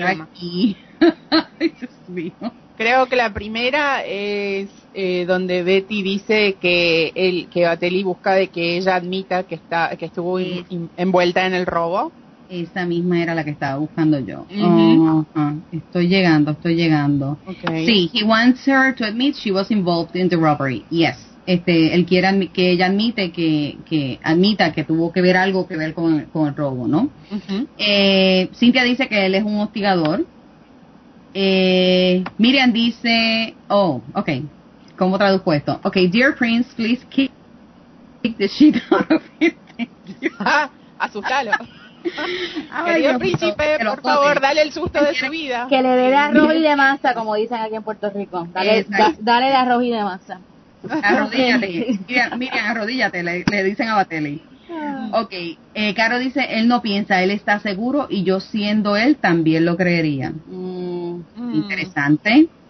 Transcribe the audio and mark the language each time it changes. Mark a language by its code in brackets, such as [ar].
[es] Aquí. Ay, Dios mío. Creo que la primera es donde Betty dice que Batelli busca de que ella admita que estuvo envuelta en el robo. Esa misma era la que estaba buscando yo. Uh-huh. Uh-huh. Estoy llegando. [en] Okay. Sí, he wants her to admit she was involved in the robbery. Yes. [es] Él quiere que ella admita que tuvo que ver algo que ver con el robo, ¿no? Uh-huh. Cynthia dice que él es un hostigador. Miriam dice, oh, okay, ¿cómo traduzco esto? [en] Okay, dear Prince, please kick the shit out of him. [es] Asustalo. Querido príncipe, por favor, dale el susto de su vida. Que le dé de arroz y de masa, como dicen aquí en Puerto Rico. Dale de arroz y de masa. Arrodíllate. Miriam, arrodíllate, le dicen a Batelli. Okay, Caro dice, él no piensa, él está seguro, y yo siendo él también lo creería. Interesante.